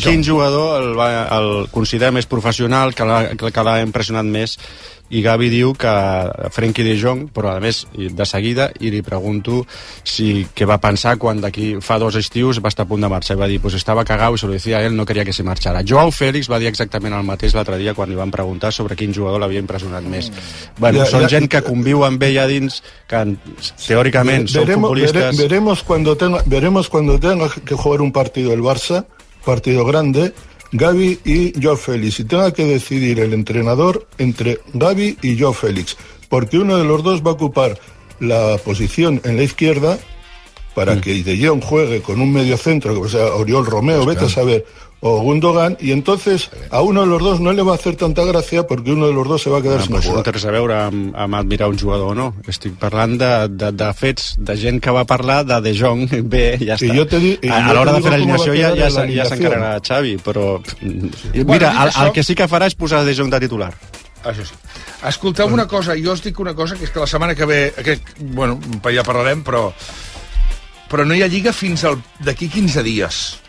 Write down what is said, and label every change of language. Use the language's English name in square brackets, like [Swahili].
[Catalan] quin jugador el considera més professional, que l'ha impressionat més, i Gavi diu que Frenkie de Jong, però a més de seguida, i li pregunto si què va pensar quan d'aquí fa 2 estius va estar a punt de marxar, i va dir, pues estava cagau i [Spanish] se lo decía a él, no quería que se marchara. [Catalan] Joao Félix va dir exactament el mateix l'altre dia quan li van preguntar sobre quin jugador l'havia impressionat més. Bueno, ja, són ja, gent que conviu amb ella dins, que teòricament ja, són futbolistes... [Spanish] Veremos cuando tenga que jugar un partido el Barça, partido grande, Gavi y Joao Félix, y tenga que decidir el entrenador entre Gavi y Joao Félix, porque uno de los dos va a ocupar la posición en la izquierda para que De Jong juegue con un medio centro, o sea, Oriol Romeu, pues vete claro. A saber, o Gundogan, y entonces a uno de los dos no le va a hacer tanta gracia porque uno de los dos se va a quedar sin jugar. [Catalan] No interesa veure amb admirar un jugador o no. Estic parlant de fets, de gent que va parlar de De Jong. Bé, ja està. A l'hora de fer l'alineació ja s'encararà Xavi, però... Sí. Mira, el que sí que farà és posar De Jong de titular. Això sí. Escolteu una cosa, jo us dic una cosa, que és que la setmana que ve, bueno, ja parlarem, però no hi ha lliga fins d'aquí 15 dies.